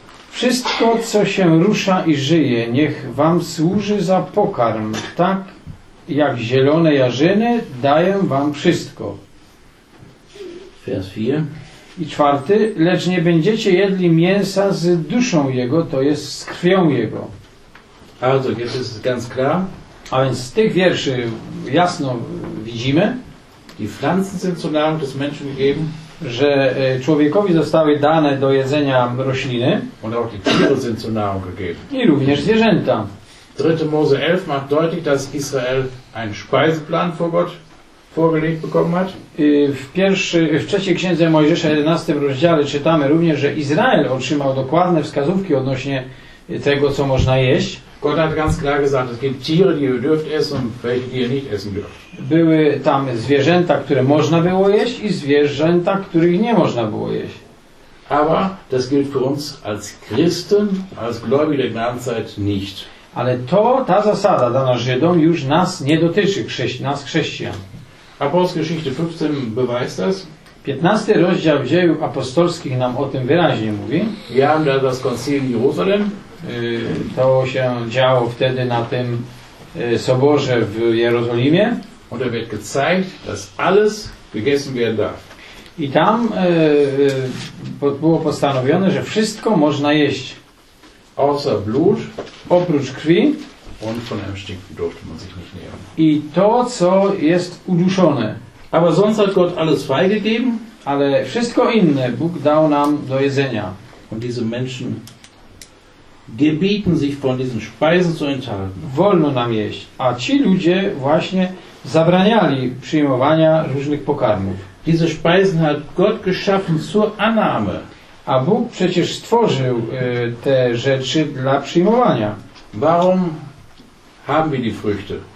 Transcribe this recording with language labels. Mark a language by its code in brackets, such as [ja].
[pl] Wszystko, co się rusza i żyje, niech wam służy za pokarm, tak jak zielone jarzyny dają wam wszystko. [de] Vers 4. [pl] I czwarty, lecz nie będziecie jedli mięsa z duszą jego, to jest z krwią jego. [de] Also, jest es ganz klar. [pl] A więc z tych wierszy jasno widzimy, [de] die Pflanzen sind zur Nahrung des Menschen gegeben, [pl] że człowiekowi zostały dane do jedzenia rośliny, [de] und auch die Tiere sind zur Nahrung gegeben. [pl] I również zwierzęta. [de] 3. Mose 11 macht deutlich, dass Israel einen Speiseplan vor Gott vorgelegt bekommen hat. [pl] W trzeciej księdze Mojżesza, 11 rozdziale, czytamy również, że Izrael otrzymał dokładne wskazówki odnośnie tego, co można jeść. [de] Gott hat ganz klar gesagt, es gibt Tiere, die ihr dürft essen, welche die ihr nicht essen dürft. [pl] Były tam zwierzęta, które można było jeść i zwierzęta, których nie można było jeść. [de] Aber das gilt für uns als Christen, als Gläubige der Gnadenzeit nicht. [pl] Ale to, ta zasada dana Żydom już nas nie dotyczy, nas chrześcijan. [de] Apostelgeschichte 15 beweist das. [pl] 15. rozdział Dziejów Apostolskich nam o tym wyraźnie mówi. [de] Ja haben da das Konzil in Jerusalem. [pl] To się działo wtedy na tym soborze w Jerozolimie. [de] Und da wird gezeigt, dass alles gegessen werden darf. [pl] I tam było postanowione, że wszystko można jeść. [de] Außer Blut. [pl] Oprócz krwi. [de] Und von einem Stinken durfte man sich nicht nähern. [pl] I to, co jest uduszone. [de] Aber sonst hat Gott alles freigegeben. [pl] Ale wszystko inne Bóg dał nam do jedzenia. [de] Und diese Menschen gebieten sich von diesen Speisen zu enthalten. [pl] Wolno nam jeść. A ci ludzie właśnie zabraniali przyjmowania różnych pokarmów. [de] Diese Speisen hat Gott geschaffen zur Annahme. [pl] A Bóg przecież stworzył te rzeczy dla przyjmowania. [de] Warum haben wir die Früchte?